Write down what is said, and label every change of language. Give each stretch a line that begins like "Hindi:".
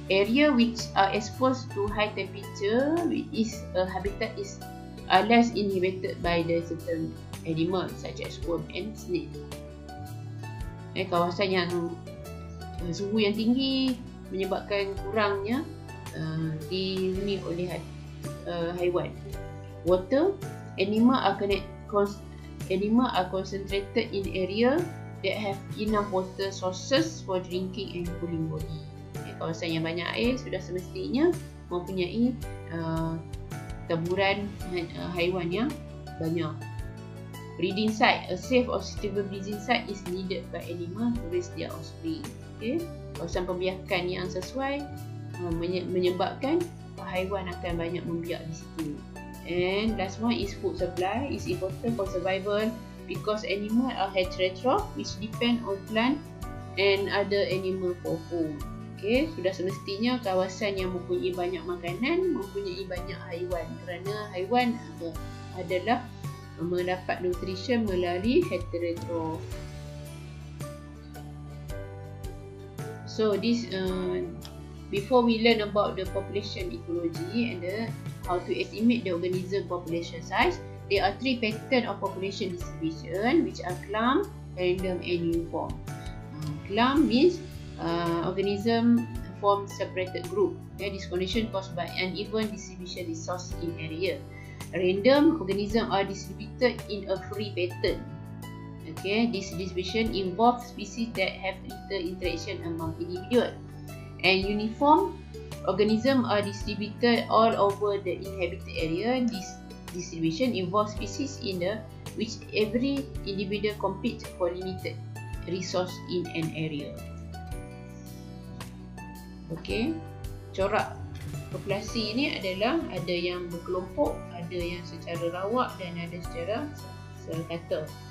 English: Area which are exposed to high temperature is habitat is less inhibited by the certain animal such as worm and snake.
Malay: Okay, kawasan yang suhu yang tinggi menyebabkan kurangnya dihuni oleh haiwan.
English: Water, animal are concentrated in area that have enough water sources for drinking and cooling body.
Malay: Okay, kawasan yang banyak air sudah semestinya mempunyai taburan haiwan yang banyak.
English: Breeding site, a safe or suitable breeding site is needed by animal to raise their offspring.
Malay: Okay, kawasan pembiakan yang sesuai menyebabkan haiwan akan banyak membiak di situ.
English: And last one is food supply is important for survival because animal are heterotroph which depend on plant and other animal for food.
Malay: Okay, sudah semestinya kawasan yang mempunyai banyak makanan mempunyai banyak haiwan kerana haiwan adalah mendapat nutrition melalui heterotroph.
English: So this before we learn about the population ecology and the how to estimate the organism population size, there are three pattern of population distribution which are clump, random and uniform. Clump means organism form separated group. Okay, this condition caused by uneven distribution resource in area. Random organism are distributed in a free pattern. Okay, this distribution involves species that have little interaction among individuals. And uniform organisms are distributed all over the inhabited area. This distribution involves species in the which every individual competes for limited resource in an area.
Malay: Okay, corak populasi ini adalah ada yang berkelompok, ada yang secara rawak dan ada secara serata.